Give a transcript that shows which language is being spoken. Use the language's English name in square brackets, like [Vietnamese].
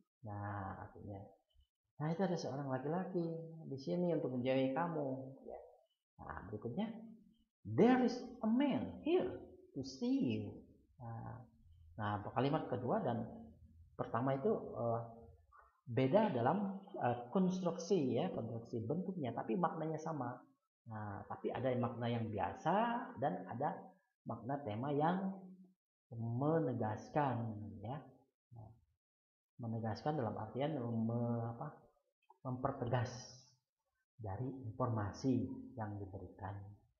[Indonesian] Nah, artinya, nah, itu ada seorang laki-laki di sini untuk menjauhi kamu. Ya. Nah, berikutnya, [English] there is a man here to see you. [Indonesian] Nah, kalimat kedua dan pertama itu beda dalam konstruksi, ya, konstruksi bentuknya, tapi maknanya sama. Nah, tapi ada makna yang biasa dan ada makna tema yang menegaskan, ya, menegaskan dalam artian mempertegas dari informasi yang diberikan.